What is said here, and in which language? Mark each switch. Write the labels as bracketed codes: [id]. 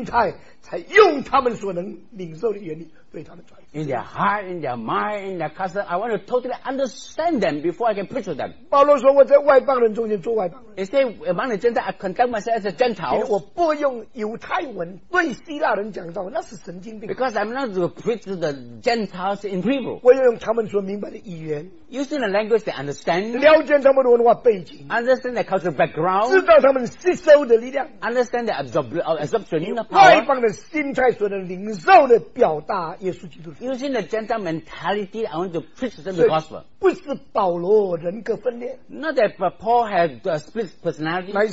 [zh] 我要在犹太人心地里面，在他们的习惯风俗里面，在他们中间完全明白他们的心态，才用他们所能领受的原理。 [en] In their heart, in their mind, in their custom, I want to totally understand them before I can preach to them. [zh] 保罗说我在外邦人中间做外邦人。 [en] He said, among the Gentiles, I conduct myself as a Gentile. [zh] 我不用犹太文对希腊人讲道，那是神经病。 [en] Because I'm not to preach to the Gentiles in Hebrew. [zh] 我要用他们所明白的语言。 [en] Using the language they understand. [zh] 了解他们的文化背景。 [en] Understand their cultural background. [zh] 知道他们吸收的力量。 [en] Understand their absorption in the power. [zh] 外邦的心态所能领受的表达。 [en] Using the Gentile mentality, I want to preach them the gospel. [zh] 不是保罗人格分裂。 Not that Paul had a split personality.